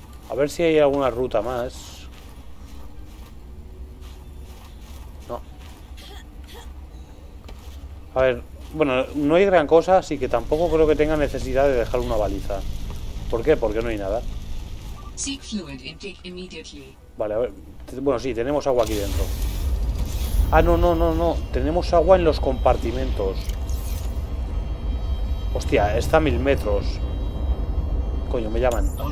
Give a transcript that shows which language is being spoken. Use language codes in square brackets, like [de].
[es] A ver si hay alguna ruta más. No. A ver, Bueno, no hay gran cosa, así que tampoco creo que tenga necesidad de dejar una baliza. ¿Por qué? Porque no hay nada. [en] Seek fluid intake immediately. [es] Vale, a ver. Bueno, sí, tenemos agua aquí dentro. Ah, no, no, no, no. Tenemos agua en los compartimentos. Hostia, está a 1000 metros. Coño, me llaman.